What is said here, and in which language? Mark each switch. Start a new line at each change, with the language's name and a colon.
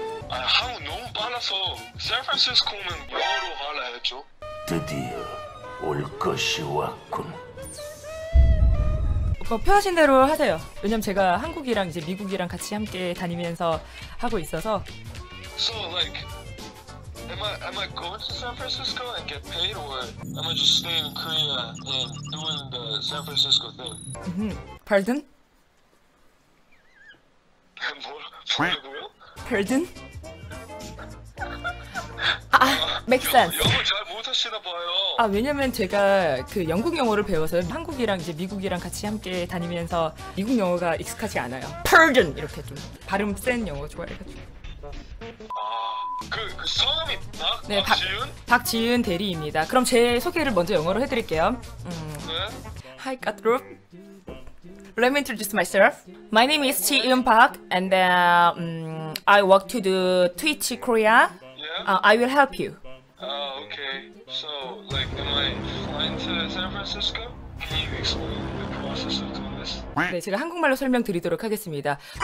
Korean: 아 한국 너무 빨라서 샌프란시스코는 영어로 알아야죠. 드디어 올 것이 왔군. 뭐 표하신 대로 하세요. 왜냐면 제가 한국이랑 이제 미국이랑 같이 함께 다니면서 하고 있어서.
English: So like, am I going to San Francisco and get paid, or am I just staying in Korea and doing the San Francisco thing? Pardon?
Korean: 뭐라고요?
English: Pardon? 아, make sense.
Korean: 영어 잘 못하시나 봐요. 아, 왜냐면 제가 그 영국 영어를 배워서 한국이랑 이제 미국이랑 같이 함께 다니면서 미국 영어가 익숙하지 않아요. Persian 이렇게 좀 발음 센 영어 좋아해가지고. 아, 그 성함이 박지은? 박지은 대리입니다. 그럼 제 소개를 먼저 영어로 해드릴게요. 네.
English: Hi, Katrup. Let me introduce myself. My name is Ji-eun Park, and I work to the Twitch Korea. I will help you. Okay. So, like, am I flying to San Francisco? Can you explain the process of doing this?
Korean: 네, 제가 한국말로 설명드리도록 하겠습니다.